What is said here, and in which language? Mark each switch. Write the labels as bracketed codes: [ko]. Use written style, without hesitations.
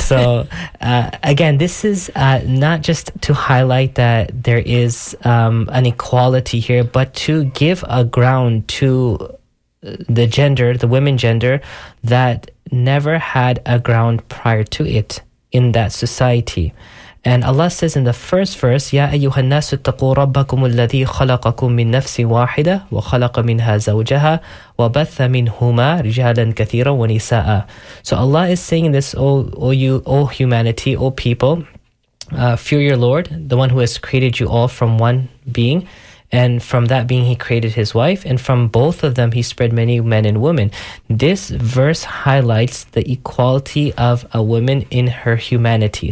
[en] So again, this is not just to highlight that there is an equality here, but to give a ground to the gender, the women gender, that never had a ground prior to it in that society. And Allah says in the first verse, [ar] يَا أَيُّهَا النَّاسُ اتَّقُوا رَبَّكُمُ الَّذِي خَلَقَكُم مِّن نَفْسٍ وَاحِدَةً وَخَلَقَ مِنْهَا زَوْجَهَا وَبَثَّ مِنْهُمَا رِجَالًا كَثِيرًا وَنِسَاءً. [en] So Allah is saying this, O humanity, O people, fear your Lord, the one who has created you all from one being, and from that being he created his wife, and from both of them he spread many men and women. This verse highlights the equality of a woman in her humanity.